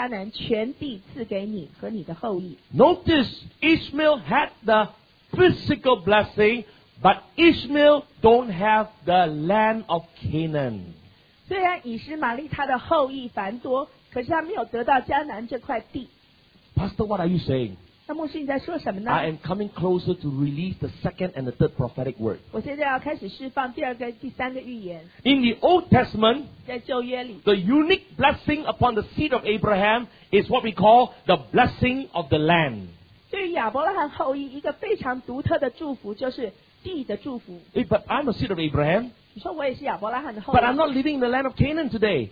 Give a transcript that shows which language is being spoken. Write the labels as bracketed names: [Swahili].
[Chinese] 在这两个祝福里面相差别的地方就在创世纪17章第8节，他说我要将你现在寄居的地就是迦南全地赐给你和你的后裔。 [English] Notice, Ishmael had the physical blessing, but Ishmael don't have the land of Canaan. [Chinese] 虽然以实玛利他的后裔繁多, 可是他没有得到迦南这块地。 [English] Pastor, what are you saying? [Chinese] 那牧师你在说什么呢? [English] I am coming closer to release the second and the third prophetic word. [Chinese] 我现在要开始释放第二个第三个预言。 [English] In the Old Testament, [Chinese] 在旧约里, [English] the unique blessing upon the seed of Abraham is what we call the blessing of the land. [Chinese] 对于亚伯拉罕后裔, 一个非常独特的祝福就是地的祝福。 [English] Hey, but I'm a seed of Abraham. But I'm not living in the land of Canaan today.